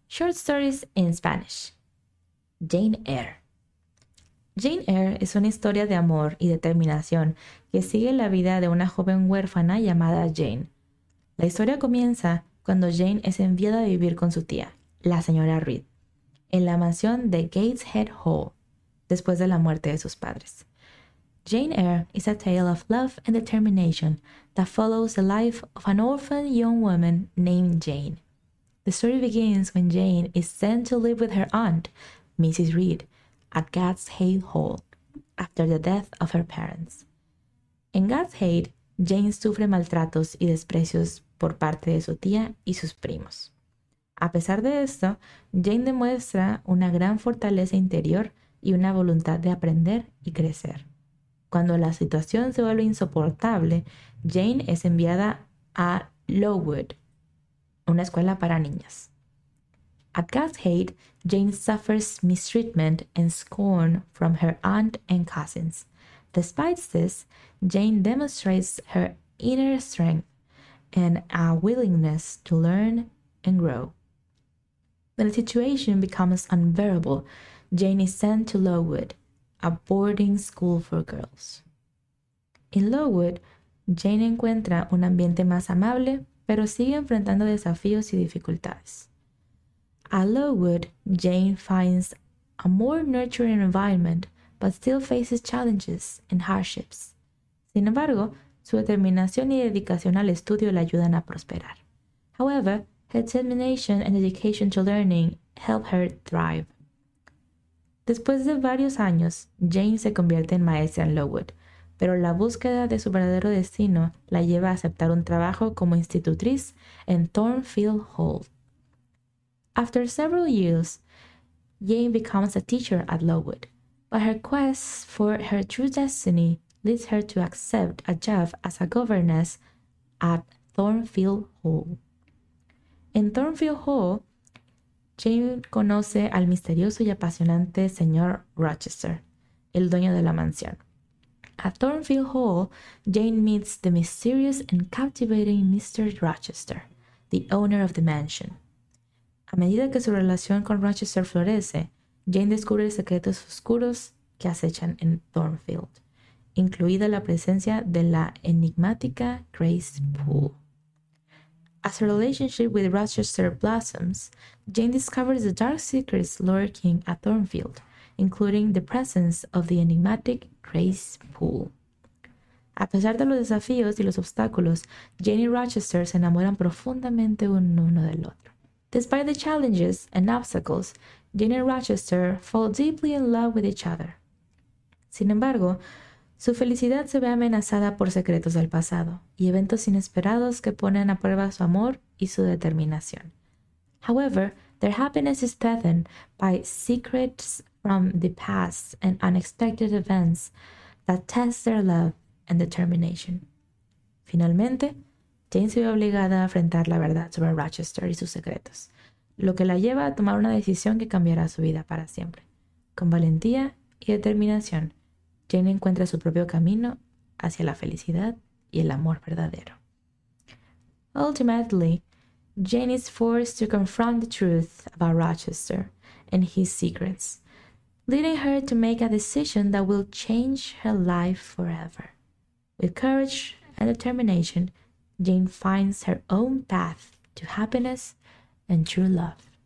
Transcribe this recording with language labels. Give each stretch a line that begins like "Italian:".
English: Short stories in Spanish. Jane Eyre.
Spanish: Jane Eyre es una historia de amor y determinación que sigue la vida de una joven huérfana llamada Jane. La historia comienza cuando Jane es enviada a vivir con su tía, la señora Reed, en la mansión de Gateshead Hall, después de la muerte de sus padres.
English: Jane Eyre is a tale of love and determination that follows the life of an orphan young woman named Jane. The story begins when Jane is sent to live with her aunt, Mrs. Reed, at Gateshead Hall, after the death of her parents.
Spanish: En Gateshead, Jane sufre maltratos y desprecios por parte de su tía y sus primos. A pesar de esto, Jane demuestra una gran fortaleza interior y una voluntad de aprender y crecer. Cuando la situación se vuelve insoportable, Jane es enviada a Lowood, una escuela para niñas.
English: At Gateshead, Jane suffers mistreatment and scorn from her aunt and cousins. Despite this, Jane demonstrates her inner strength and a willingness to learn and grow. When the situation becomes unbearable, Jane is sent to Lowood, a boarding school for girls. In Lowood,
Spanish: Jane encuentra un ambiente más amable, pero sigue enfrentando desafíos y dificultades.
English: At Lowood, Jane finds a more nurturing environment, but still faces challenges and hardships.
Spanish: Sin embargo, su determinación y dedicación al estudio la ayudan a prosperar.
English: However, her determination and dedication to learning help her thrive.
Spanish: Después de varios años, Jane se convierte en maestra en Lowood, pero la búsqueda de su verdadero destino la lleva a aceptar un trabajo como institutriz en Thornfield Hall.
English: After several years, Jane becomes a teacher at Lowood, but her quest for her true destiny leads her to accept a job as a governess at Thornfield Hall.
Spanish: En Thornfield Hall, Jane conoce al misterioso y apasionante señor Rochester, el dueño de la mansión.
English: At Thornfield Hall, Jane meets the mysterious and captivating Mr. Rochester, the owner of the mansion.
Spanish: A medida que su relación con Rochester florece, Jane descubre secretos oscuros que acechan en Thornfield, incluida la presencia de la enigmática Grace Poole.
English: As her relationship with Rochester blossoms, Jane discovers the dark secrets lurking at Thornfield, including the presence of the enigmatic Grace Poole.
Spanish: A pesar de los desafíos y los obstáculos, Jane y Rochester se enamoran profundamente uno del otro.
English: Despite the challenges and obstacles, Jane and Rochester fall deeply in love with each other.
Spanish: Sin embargo, su felicidad se ve amenazada por secretos del pasado y eventos inesperados que ponen a prueba su amor y su determinación.
English: However, their happiness is threatened by secrets from the past and unexpected events that test their love and determination.
Spanish: Finalmente, Jane se ve obligada a enfrentar la verdad sobre Rochester y sus secretos, lo que la lleva a tomar una decisión que cambiará su vida para siempre. Con valentía y determinación, Jane encuentra su propio camino hacia la felicidad y el amor verdadero.
English: Ultimately, Jane is forced to confront the truth about Rochester and his secrets, leading her to make a decision that will change her life forever. With courage and determination, Jane finds her own path to happiness and true love.